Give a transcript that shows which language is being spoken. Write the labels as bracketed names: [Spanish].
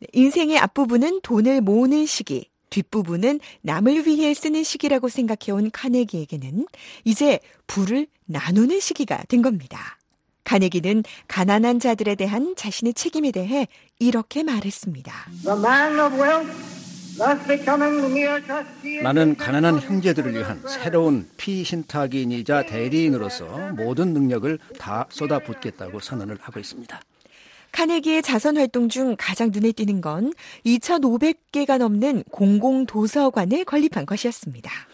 [Korean] 인생의 앞부분은 돈을 모으는 시기, 뒷부분은 남을 위해 쓰는 시기라고 생각해온 카네기에게는 이제 부를 나누는 시기가 된 겁니다. 카네기는 가난한 자들에 대한 자신의 책임에 대해 이렇게 말했습니다. [English] The man of wealth thus becoming the mere trustee. [Korean] 나는 가난한 형제들을 위한 새로운 피신탁인이자 대리인으로서 모든 능력을 다 쏟아붓겠다고 선언을 하고 있습니다. 카네기의 자선활동 중 가장 눈에 띄는 건 2,500개가 넘는 공공도서관을 건립한 것이었습니다.